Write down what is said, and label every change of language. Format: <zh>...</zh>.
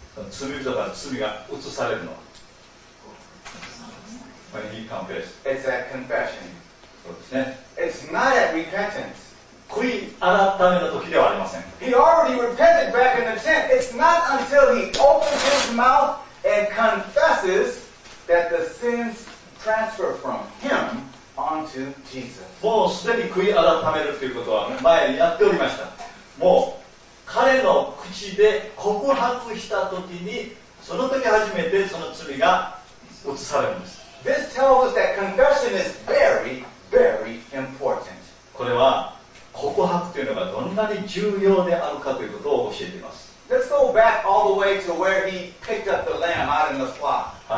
<ja>罪人が罪が移されるのは。</ja> <en>When he confessed. It's at confession.</en> <ja>そうですね。</ja> <en>It's not at repentance.</en> <ja>悔い改めの時ではありません。</ja> <en>He already repented back in the tent. It's not until he opens his mouth and confesses that the sins transfer from him onto Jesus.</en> <ja>もうすでに悔い改めるということは前にやっておりました。もう彼の口で告白した時に、その時初めてその罪が移されます。</ja> <en>This tells us that confession is very, very important.</en> <ja>これは告白というのがどんなに重要であるかということを教えています。</ja> <en>Let's go back all the way to where he picked up the lamb out in the flock.</en>